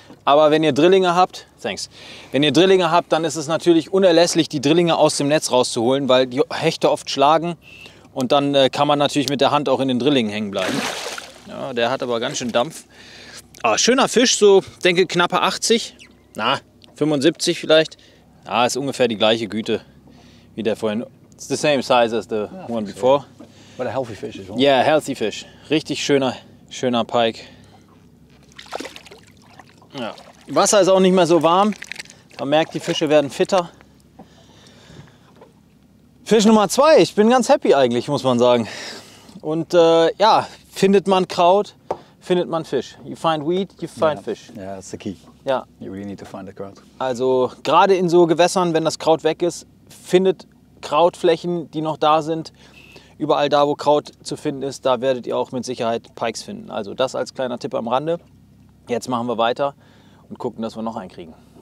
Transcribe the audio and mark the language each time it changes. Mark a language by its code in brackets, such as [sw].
[de] Aber wenn ihr Drillinge habt, thanks, wenn ihr Drillinge habt, dann ist es natürlich unerlässlich, die Drillinge aus dem Netz rauszuholen, weil die Hechte oft schlagen und dann kann man natürlich mit der Hand auch in den Drillingen hängen bleiben. Ja, der hat aber ganz schön Dampf. Ah, schöner Fisch, so denke knappe 80, na 75 vielleicht. Ja, ist ungefähr die gleiche Güte wie der vorhin. [en] It's the same size as the one before. But a healthy fish as well. Yeah, healthy fish. [de] Richtig schöner Pike. Ja. Wasser ist auch nicht mehr so warm. Man merkt, die Fische werden fitter. Fisch Nummer 2. Ich bin ganz happy eigentlich, muss man sagen. Und ja, findet man Kraut, findet man Fisch. [en] You find weed, you find fish. Yeah, that's the key. Yeah. You really need to find the kraut. [de] Also gerade in so Gewässern, wenn das Kraut weg ist, findet Krautflächen, die noch da sind. Überall da, wo Kraut zu finden ist, da werdet ihr auch mit Sicherheit Pikes finden. Also das als kleiner Tipp am Rande. Jetzt machen wir weiter und gucken, dass wir noch einen kriegen.